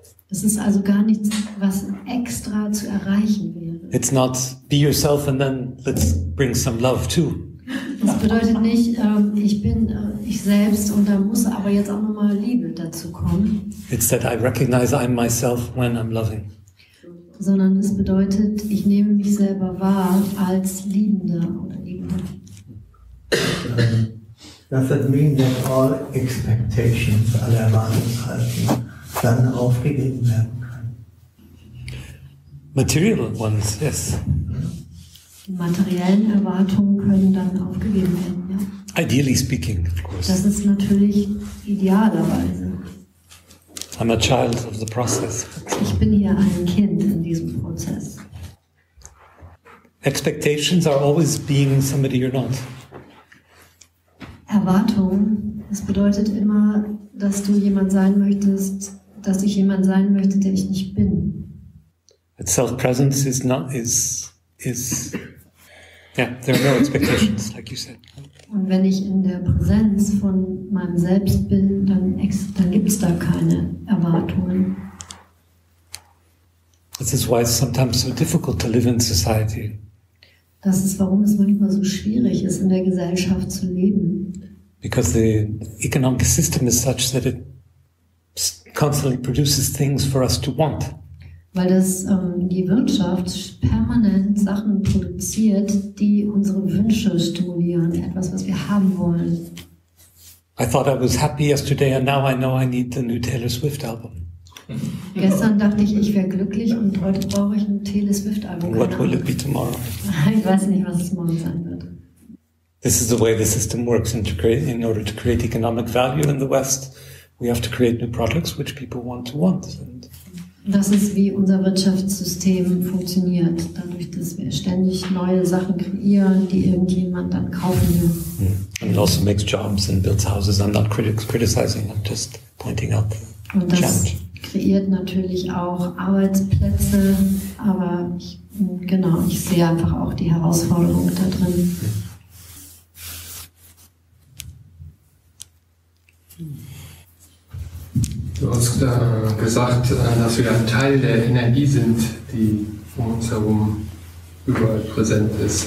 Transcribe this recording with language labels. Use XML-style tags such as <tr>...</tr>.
<de>Es ist also gar nichts, was extra zu erreichen wäre.</de> <en>It's not be yourself and then let's bring some love too.</en> <de>Das bedeutet nicht, ich bin ich selbst und da muss aber jetzt auch nochmal Liebe dazu kommen.</de> <en>It's that I recognize I'm myself when I'm loving.</en> <de>Sondern es bedeutet, ich nehme mich selber wahr als Liebender oder Liebende.</de> <en>Does that mean that all expectations,</en> <de>alle Erwartungshaltungen, dann aufgegeben werden können?</de> <en>Material ones, yes.</en> <de>Die materiellen Erwartungen können dann aufgegeben werden, ja.</de> <en>Ideally speaking, of course.</en> <de>Das ist natürlich idealerweise.</de> <en>I'm a child of the process.</en> <de>Ich bin hier ein Kind in diesem Prozess.</de> <en>Expectations are always being somebody you're not.</en> <de>Erwartung, das bedeutet immer, dass du jemand sein möchtest, dass ich jemand sein möchte, der ich nicht bin.</de> <en>But self-presence is not, is, yeah, there are no expectations, like you said.</en> <de>Und wenn ich in der Präsenz von meinem Selbst bin, dann gibt es da keine Erwartungen.</de> <en>This is why it's sometimes so difficult to live in society.</en> <de>Das ist, warum es manchmal so schwierig ist, in der Gesellschaft zu leben.</de> <en>Because the economic system is such that it constantly produces things for us to want.</en> <de>Weil das die Wirtschaft permanent Sachen produziert, die unsere Wünsche stimulieren, etwas, was wir haben wollen.</de> <en>I thought I was happy yesterday, and now I know I need the new Taylor Swift album.</en> <de>Gestern dachte ich, ich wäre glücklich, und heute brauche ich ein Taylor Swift album.</de> <en>What will it be tomorrow?</en> <de>Ich weiß nicht, was es morgen sein wird.</de> <en>This is the way the system works in order to create economic value in the West. We have to create new products which people want to want. And</en> <de>das ist, wie unser Wirtschaftssystem funktioniert, dadurch, dass wir ständig neue Sachen kreieren, die irgendjemand dann kaufen will.</de> <en>And it also makes jobs and builds houses. I'm not criticizing, I'm just pointing out the</en> <de>und das challenge. Kreiert natürlich auch Arbeitsplätze, aber ich sehe einfach auch die Herausforderung da drin. Du hast gesagt, dass wir ein Teil der Energie sind, die um uns herum überall präsent ist.</de>